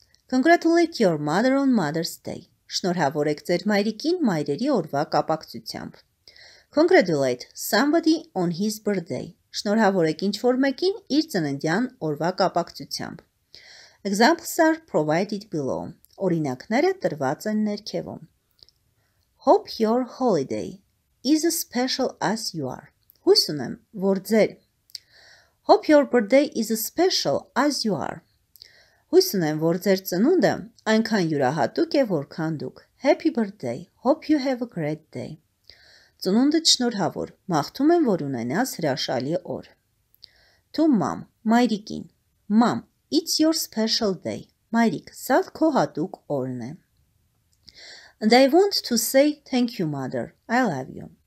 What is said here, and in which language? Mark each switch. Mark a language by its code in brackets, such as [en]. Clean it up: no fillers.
[en] Congratulate your mother on Mother's Day. [hy] Շնորհավորեք ձեր մայրիկին մայրերի օրվա կապակցությամբ. [en] Congratulate somebody on his birthday. [hy] Շնորհավորեք ինչ-որ մեկին իր ծննդյան օրվա կապակցությամբ. [en] Examples are provided below. [hy] Օրինակները տրված են ներքևում. [en] Hope your holiday is as special as you are. [hy] Հույս ունեմ, որ ձեր. [en] Hope your birthday is as special as you are. [hy] Հույս ունեմ, որ ձեր ծնունդը այնքան յուրահատուկ է, որքան դուք։ [en] Happy birthday. Hope you have a great day. [hy] Ծնունդը շնորհավոր, մաղթում եմ, որ ունենաս հրաշալի օր։ [en] To mom, մայրիկին. Mom, it's your special day. [hy] Մայրիկ, սա քո հատուկ օրն է։ [en] And I want to say thank you, mother. I love you.